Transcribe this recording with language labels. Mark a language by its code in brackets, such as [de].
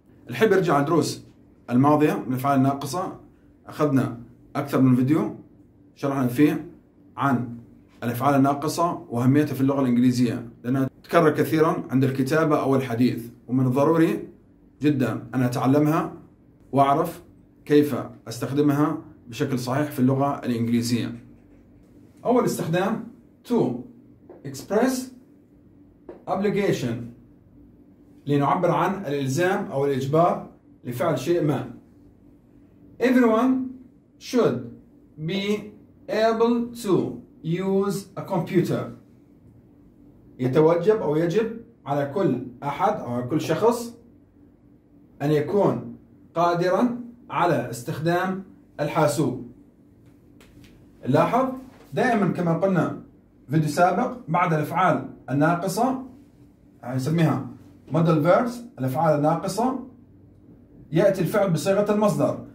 [ar] الحين برجع على الدروس الماضية من الأفعال الناقصة، أخذنا أكثر من فيديو شرحنا فيه عن الأفعال الناقصة وأهميتها في اللغة الإنجليزية، لأنها تكرر كثيرا عند الكتابة أو الحديث، ومن الضروري جدا أن أتعلمها وأعرف كيف أستخدمها بشكل صحيح في اللغة الإنجليزية. أول استخدام [en] to express obligation، [ar] لنعبر عن الإلزام أو الإجبار لفعل شيء ما. [en] Everyone should be able to use a computer. [ar] يتوجب أو يجب على كل أحد أو كل شخص أن يكون قادرا على استخدام الحاسوب. لاحظ دائما كما قلنا فيديو سابق، بعد الأفعال الناقصة نسميها modal verbs، الأفعال الناقصة يأتي الفعل بصيغة المصدر.